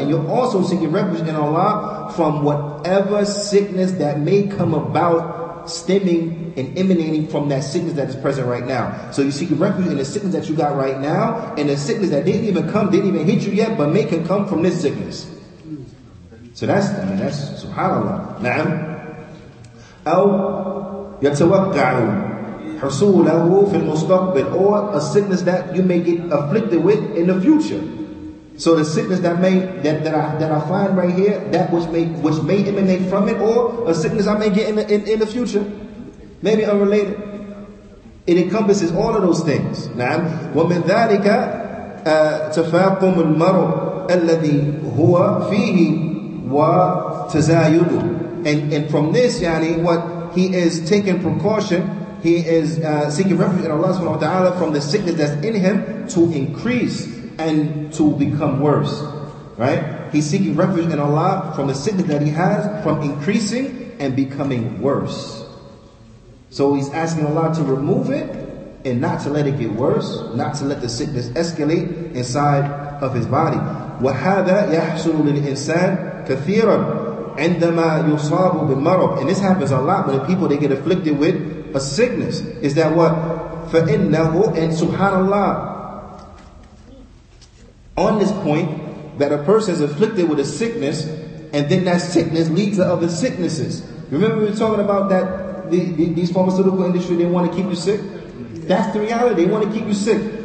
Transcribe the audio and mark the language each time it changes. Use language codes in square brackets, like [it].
[en] And you're also seeking refuge in Allah from whatever sickness that may come about stemming and emanating from that sickness that is present right now. So you're seeking refuge in the sickness that you got right now, and the sickness that didn't even hit you yet, but may can come from this sickness. So that's subhanAllah. نعم. [ar] أو يتوقع حصوله في المستقبل. [en] Or a sickness that you may get afflicted with in the future. So the sickness that I find right here, that which may emanate from it, or a sickness I may get in the future, maybe unrelated. It encompasses all of those things. نعم. [ar] ومن ذلك تفاقم المرء الذي هو فيه وتزايده. [en] And from this, what he is taking precaution, he is seeking refuge in Allah subhanahu wa ta'ala from the sickness that's in him to increase and to become worse. Right? He's seeking refuge in Allah from the sickness that he has, from increasing and becoming worse. So he's asking Allah to remove it and not to let it get worse, not to let the sickness escalate inside of his body. [ar] وَهَذَا يَحْسُلُ لِلْإِنسَانِ كَثِيرًا عندما يصاب بالمرض. [en] And this happens a lot when the people, they get afflicted with a sickness. Is that what? فَإِنَّهُ And subhanAllah, on this point, that a person is afflicted with a sickness, and then that sickness leads to other sicknesses. Remember we were talking about that these pharmaceutical industry, they want to keep you sick? That's the reality. They want to keep you sick.